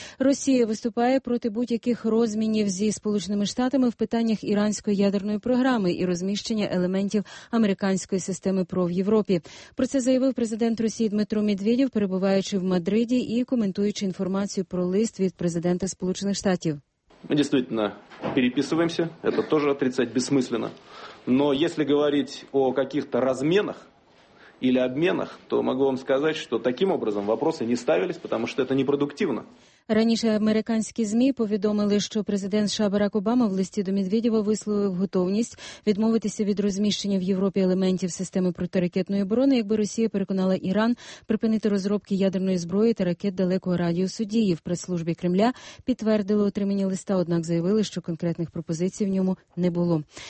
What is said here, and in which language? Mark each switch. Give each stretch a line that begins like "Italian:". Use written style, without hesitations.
Ukrainian: Росія виступає проти будь-яких розмінів зі Сполученими Штатами в питаннях іранської ядерної програми і розміщення елементів американської системи ПРО в Європі. Про це заявив президент Росії Дмитро Медведєв, перебуваючи в Мадриді і коментуючи інформацію про лист від президента Сполучених Штатів.
Russian: Мы действительно переписываемся, это тоже отрицать бессмысленно. Но если говорить о каких-то разменах или обменах, то могу вам сказать, что таким образом вопросы не ставились, потому что это непродуктивно.
Ukrainian: Раніше американські ЗМІ повідомили, що президент США Барак Обама в листі до Медведєва висловив готовність відмовитися від розміщення в Європі елементів системи протиракетної оборони, якби Росія переконала Іран припинити розробки ядерної зброї та ракет далекого радіусу дії. В прес-службі Кремля підтвердили отримання листа, однак заявили, що конкретних пропозицій в ньому не було.